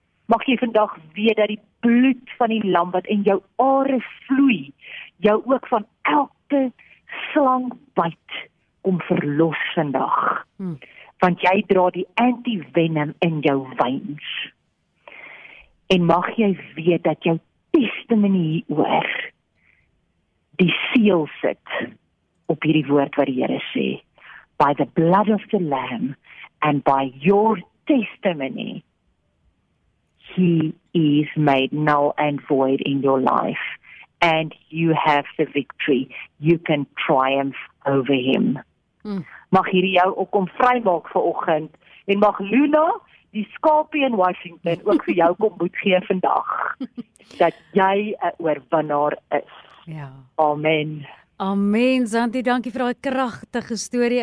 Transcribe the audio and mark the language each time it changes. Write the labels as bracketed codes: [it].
[af] Mag jy vandag weet dat die bloed van die lam wat in jou are vloei, jou ook van elke slangbyt kom verlos vandag. Want jy dra die anti-venom in jou veins. En mag jy weet dat jou testimony hieroor die seël sit op hierdie woord wat die Here sê. [en] By the blood of the lamb and by your testimony, he is made null and void in your life. And you have the victory. You can triumph over him. [af] Mag hierdie jou ook kom vry maak vir oggend. En mag Luna, die skapie in Washington, ook vir jou kom moed gee vandag. Dat jy 'n oorwinnaar is. [en] Yeah. [af] Amen. Amen, Zanti, dankie vir daai kragtige storie.